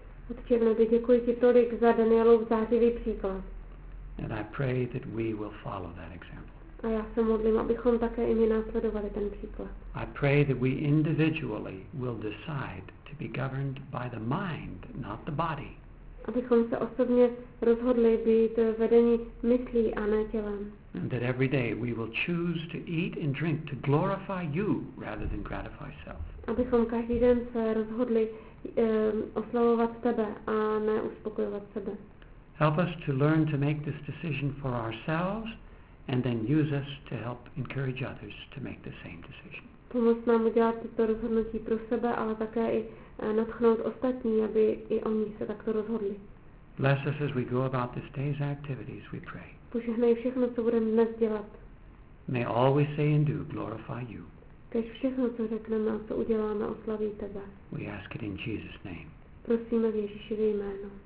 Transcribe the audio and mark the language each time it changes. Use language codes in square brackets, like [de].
[cs] Otče, děkuji ti tolik za Danielův zářivý příklad. [en] And I pray that we will follow that example. [cs] A já se modlím, abychom také i my následovali ten příklad. [en] I pray that we individually will decide to be governed by the mind, not the body. [cs] Abychom se osobně rozhodli být vedení myslí a ne tělem. [en] And that every day we will choose to eat and drink to glorify you rather than gratify self. [cs] Abychom každý den se rozhodli oslavovat tebe a ne uspokojovat sebe. [en] Help us to learn to make this decision for ourselves and then use us to help encourage others to make the same decision. [cs] Pomoz nám udělat tyto rozhodnutí pro sebe, ale také i natchnout ostatní, aby i oni se takto rozhodli. [en] Bless us as we go about this day's activities, we pray. [cs] Požehnej všechno, co budeme dnes dělat. [en] May all we say and do glorify you. [cs] Kéž všechno, co řekneme a co uděláme, oslaví tebe. [en] We ask it in Jesus' name. [cs] Prosíme v Ježíšově jméno.